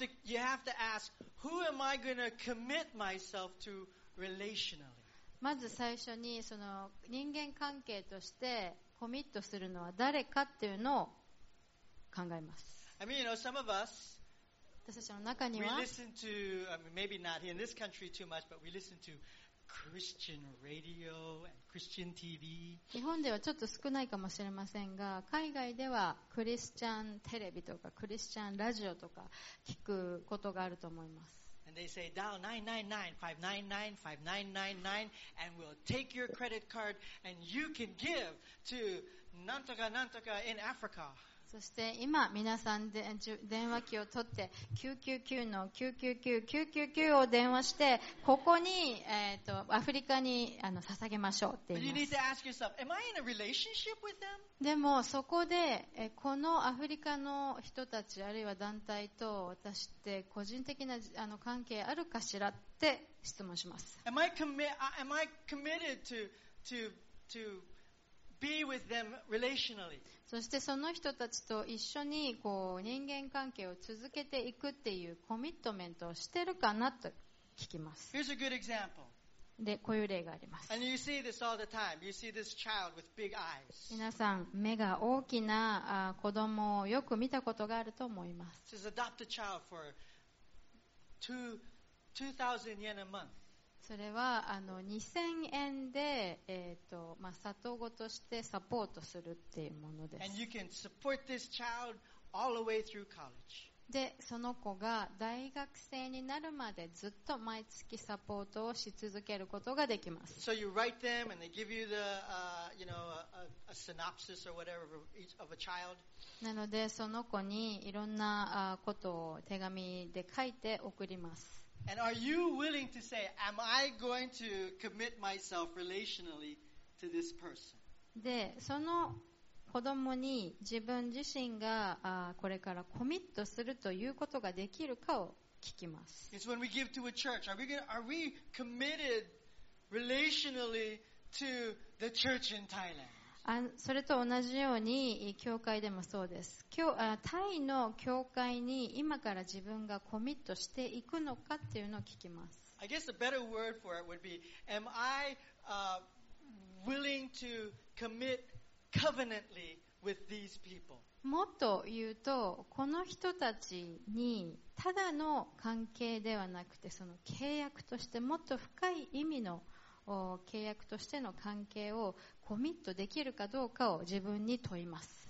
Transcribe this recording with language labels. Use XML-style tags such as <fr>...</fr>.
<en>you have to ask, who am I going to commit myself to relationally?</en> <ja>まず最初にその人間関係としてコミットするのは誰かっていうのを考えます。</ja> <en>I mean, you know, some of us,</en> <ja>私たちの中には</ja> <en>we listen to, I mean, maybe not in this country too much, but we listen toChristian radio and Christian TV.</en> <ja>日本ではちょっと少ないかもしれませんが、海外ではクリスチャンテレビとかクリスチャンラジオとか聞くことがあると思います。</ja> <en>And they say dial 999-599-5999 and we'll take your credit card and you can give to</en> <ja>なんとかなんとか</ja> <en>in Africa。</en> <ja>そして今皆さんで電話機を取って999-999-999を電話してここにアフリカに捧げましょうって言います。</ja> <en>But you need to ask yourself, am I in a relationship with them?</en> <ja>でもそこでこのアフリカの人たちあるいは団体と私って個人的な関係あるかしらって質問します。</ja> <en>am I committed to be with them relationally?</en> <ja>そしてその人たちと一緒にこう人間関係を続けていくっていうコミットメントをしてるかなと聞きます。</ja> <en>Here's a good example.</en> <ja>でこういう例があります。</ja> <en>And you see this all the time. You see this child with big eyes.</en> <ja>皆さん目が大きな子供をよく見たことがあると思います。</ja> <en>This is an adopted child for 2,000 yen a month.</en> <ja>それは2000円で、まあ、里子としてサポートするっていうものです。</ja> <en>And you can support this child all the way through college.</en> <ja>でその子が大学生になるまでずっと毎月サポートをし続けることができます。</ja> <en>So you write them and they give you the, you know, a synopsis or whatever of a child.</en> <ja>なのでその子にいろんなことを手紙で書いて送ります。</ja> <en>And are you willing to say, am I going to commit myself relationally to this person?</en> <ja>で、その子供に自分自身がこれからコミットするということができるかを聞きます。</ja> <en>It's when we give to a church. Are we committed relationally to the church in Thailand?</en> <ja>それと同じように教会でもそうです。タイの教会に今から自分がコミットしていくのかっていうのを聞きます。</ja> <en>I guess a better word for it would be am I willing to commit covenantly with these people?</en> <ja>もっと言うとこの人たちにただの関係ではなくてその契約としてもっと深い意味の契約としての関係をコミットできるかどうかを自分に問います。</ja>